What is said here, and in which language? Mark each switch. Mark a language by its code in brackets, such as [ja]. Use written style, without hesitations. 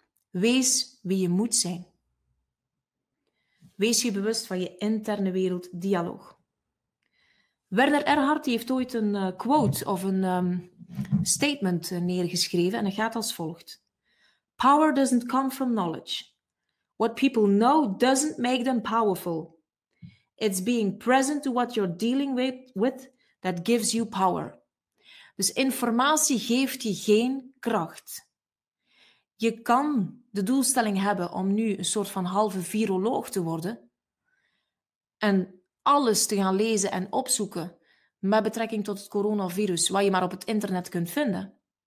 [nl] Wees wie je moet zijn. Wees je bewust van je interne werelddialoog. Werner Erhard heeft ooit een quote of een statement neergeschreven en het gaat als volgt. [en] Power doesn't come from knowledge. What people know doesn't make them powerful. It's being present to what you're dealing with that gives you power. [nl] Dus informatie geeft je geen kracht. Je kan de doelstelling hebben om nu een soort van halve viroloog te worden en alles te gaan lezen en opzoeken met betrekking tot het coronavirus, wat je maar op het internet kunt vinden.